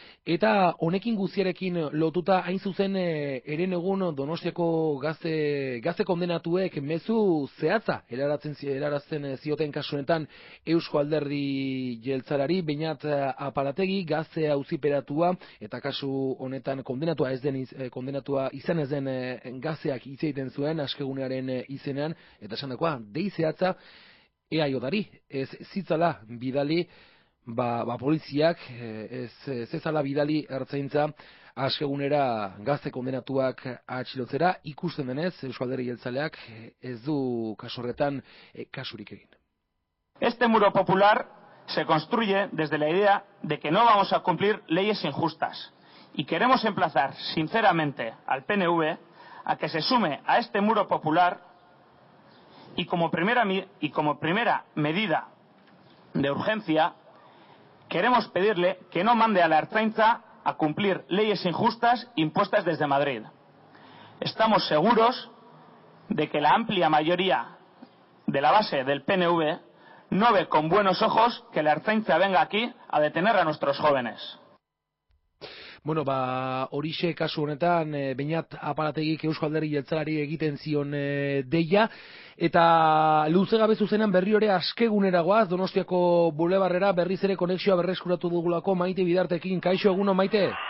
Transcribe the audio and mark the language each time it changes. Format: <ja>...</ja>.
<eu>Eta honekin guztiarekin lotuta hain zuzen herenegun Donostiako gazte kondenatuek mezu zehatza helarazten zioten kasu honetan Eusko Alderdi Jeltzalari, Beinat Apalategi gazte auziperatua eta kasu honetan kondenatua izan ez den gazteak hitz egiten zuen askegunearen izenean, eta esandakoa dei zehatza EAJ-ari ez zitzala bidali ba poliziak, ezala bidali ertzaintza askegunera gazte kondenatuak atxilotzera, ikusten denez Eusko Alderdi Jeltzaleak ez du kasorretan kasurik egin.</eu> <es>Este muro popular se construye desde la idea de que no vamos a cumplir leyes injustas y queremos emplazar sinceramente al PNV a que se sume a este muro popular y como primera medida de urgencia queremos pedirle que no mande a la Ertzaintza a cumplir leyes injustas impuestas desde Madrid. Estamos seguros de que la amplia mayoría de la base del PNV no ve con buenos ojos que la Ertzaintza venga aquí a detener a nuestros jóvenes.</es> <eu>Bueno, ba, horixe kasu honetan, Beinat Aparategik Eusko Alderdi Jeltzaleari egiten zion deia, eta luze gabe zuzenean berri ore askegunera goaz, Donostiako Bulebarrera berriz ere konexioa berreskuratu dugulako Maite Bidartekin. Kaixo eguno, Maite?</eu>